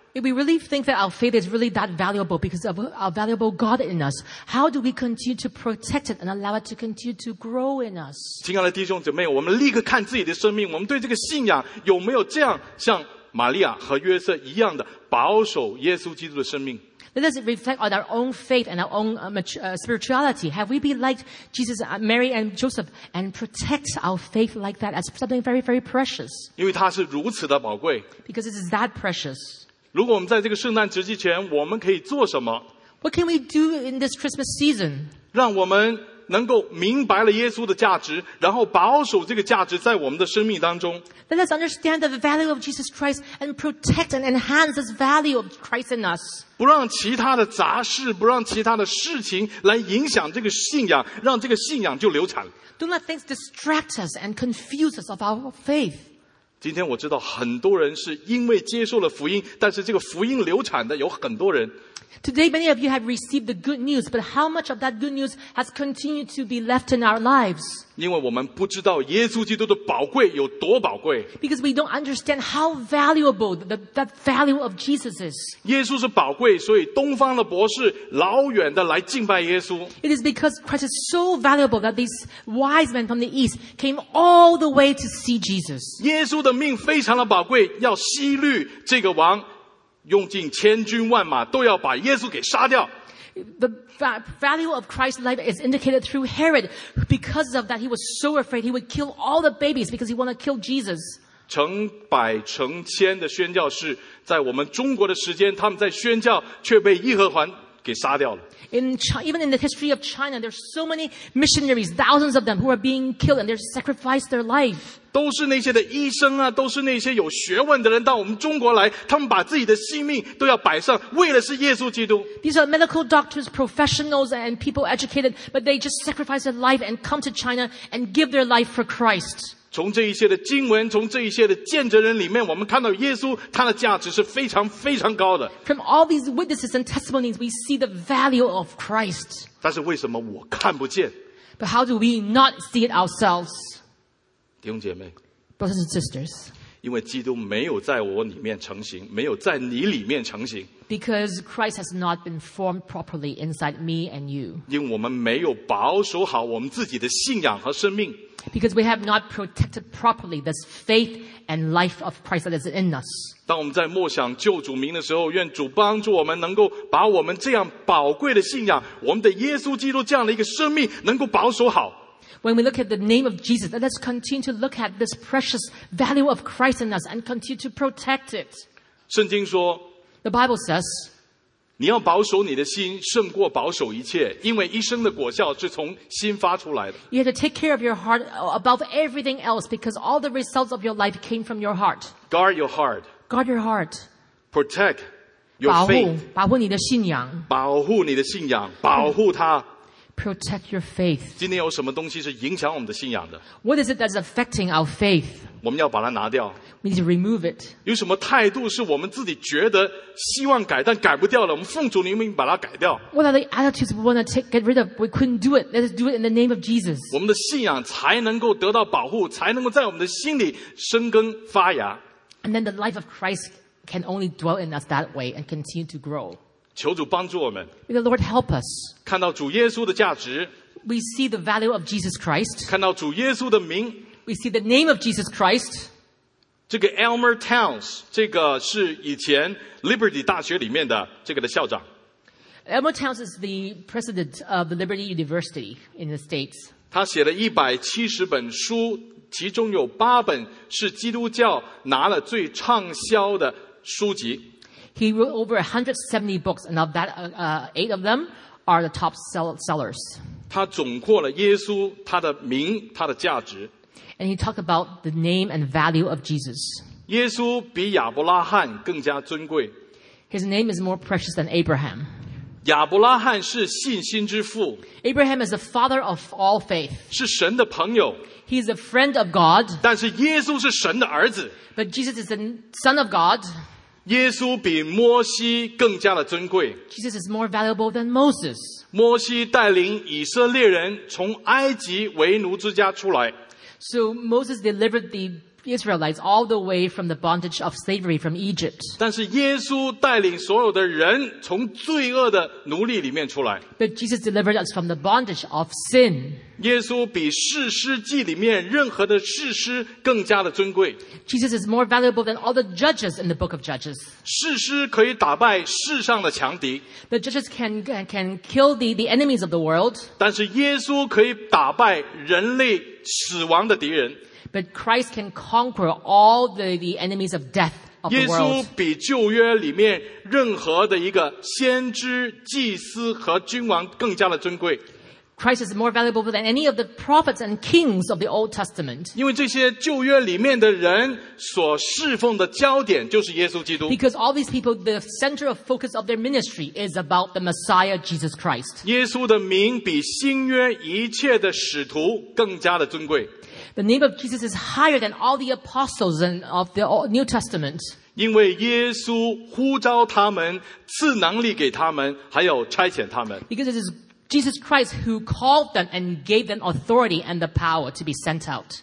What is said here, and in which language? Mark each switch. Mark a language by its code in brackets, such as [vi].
[en] If we really think that our faith is really that valuable because of our valuable God in us, how do we continue to protect it and allow it to continue to grow in us? [zh] 亲爱的弟兄姐妹，我们立刻看自己的生命，我们对这个信仰有没有这样像玛利亚和约瑟一样的保守耶稣基督的生命？ [en] Let us reflect on our own faith and our own spirituality. Have we been like Jesus, Mary and Joseph and protect our faith like that as something very, very precious? [zh] 因为它是如此的宝贵。 [en] Because it is that precious. [zh] 如果我们在这个圣诞节之前，我们可以做什么 [en] ？What can we do in this Christmas season？ [zh] 让我们能够明白了耶稣的价值，然后保守这个价值在我们的生命当中。 [en] Let us understand the value of Jesus Christ and protect and enhance this value of Christ in us。 [zh] 不让其他的杂事，不让其他的事情来影响这个信仰，让这个信仰就流产。 [en] Don't let things distract us and confuse us of our faith。 [zh] 今天我知道很多人是因为接受了福音，但是这个福音流产的有很多人。 [en] Today, many of you have received the good news, but how much of that good news has continued to be left in our lives? [zh] 因为我们不知道耶稣基督的宝贵有多宝贵。 [en] Because we don't understand how valuable that value of Jesus is. [zh] 耶稣是宝贵，所以东方的博士老远的来敬拜耶稣。 [en] It is because Christ is so valuable that these wise men from the east came all the way to see Jesus. [zh] 耶稣的命非常的宝贵，要希律这个王。用尽千军万马都要把耶稣给杀掉。 [en] The value of Christ's life is indicated through Herod. Because of that, he was so afraid he would kill all the babies because he wanted to kill Jesus. [zh] 成百成千的宣教士在我们中国的时间，他们在宣教却被义和团给杀掉了。 [en] even in the history of China, there's so many missionaries, thousands of them, who are being killed and they're sacrificed their life. [zh] 都是那些的医生啊，都是那些有学问的人到我们中国来，他们把自己的性命都要摆上，为的是耶稣基督。 [en] These are medical doctors, professionals, and people educated, but they just sacrifice their life and come to China and give their life for Christ. [zh] 从这一些的经文，从这一些的见证人里面，我们看到耶稣他的价值是非常非常高的。 [en] From all these witnesses and testimonies, we see the value of Christ. [zh] 但是为什么我看不见 [en] ？But how do we not see it ourselves? [zh] 弟兄姐妹 [en] Brothers and sisters, [zh] 因为基督没有在我里面成形，没有在你里面成形。 [en] Because Christ has not been formed properly inside me and you. [zh] 因为我们没有保守好我们自己的信仰和生命。 [en] Because we have not protected properly this faith and life of Christ that is in us. [zh] 当我们在默想救主名的时候，愿主帮助我们能够把我们这样宝贵的信仰，我们的耶稣基督这样的一个生命能够保守好。 [en] When we look at the name of Jesus, let's continue to look at this precious value of Christ in us and continue to protect it. [zh] 圣经说 [en] The Bible says, [zh] 你要保守你的心胜过保守一切，因为一生的果效是从心发出来的。 [en] You have to take care of your heart above everything else because all the results of your life came from your heart. Guard your heart. Guard your heart. Protect your faith. [zh] 保护你的信仰。保护你的信仰，保护它。 [en] Protect your faith. [zh] 今天有什么东西是影响我们的信仰的？ [en] What is it that's affecting our faith? [zh] 我们要把它拿掉。 [en] We need to remove it. [zh] 有什么态度是我们自己觉得希望改，但改不掉了？我们奉主的名把它改掉。 [en] What are the attitudes we want to get rid of? We couldn't do it. Let's do it in the name of Jesus. [zh] 我们的信仰才能够得到保护，才能够在我们的心里生根发芽。 [en] And then the life of Christ can only dwell in us that way and continue to grow. [zh] 求主帮助我们。 [en] May the Lord help us. [zh] 看到主耶稣的价值。 [en] We see the value of Jesus Christ. [zh] 看到主耶稣的名。 [en] We see the name of Jesus Christ. [zh] 这个 Elmer Towns, 这个是以前 Liberty 大学里面的这个的校长。 [en] Elmer Towns is the president of the Liberty University in the States. [zh] 他写了170本书，其中有8本是基督教拿了最畅销的书籍。 [en] He wrote over 170 books, and of that, 8 of them are the top sellers. [zh] 他总括了耶稣他的名他的价值。 [en] And he talked about the name and value of Jesus. [zh] 耶稣比亚伯拉罕更加尊贵。 [en] His name is more precious than Abraham. [zh] 亚伯拉罕是信心之父。 [en] Abraham is the father of all faith. [zh] 是神的朋友。 [en] He is a friend of God. [zh] 但是耶稣是神的儿子。 [en] But Jesus is the son of God. [zh] 耶稣比摩西更加的尊贵。 [en] Jesus is more valuable than Moses. [zh] 摩西带领以色列人从埃及为奴之家出来。 [en] So Moses delivered the Israelites all the way from the bondage of slavery from Egypt. [zh] 但是耶稣带领所有的人从罪恶的奴隶里面出来。 [en] But Jesus delivered us from the bondage of sin. [zh] 耶稣比士师记里面任何的士师更加的尊贵。 [en] Jesus is more valuable than all the judges in the book of Judges. [zh] 士师可以打败世上的强敌。 [en] The judges can kill the enemies of the world. [zh] 但是耶稣可以打败人类死亡的敌人。 [en] But Christ can conquer all the enemies of death of the world. [zh] 耶稣比旧约里面任何的一个先知、祭司和君王更加的尊贵。 [en] Christ is more valuable than any of the prophets and kings of the Old Testament. [zh] 因为这些旧约里面的人所侍奉的焦点就是耶稣基督。 [en] Because all these people, the center of focus of their ministry is about the Messiah, Jesus Christ. [zh] 耶稣的名比新约一切的使徒更加的尊贵。 [en] The name of Jesus is higher than all the apostles of the New Testament. [zh] 因为耶稣呼召他们，赐能力给他们，还有差遣他们。 [en] Because it is Jesus Christ who called them and gave them authority and the power to be sent out.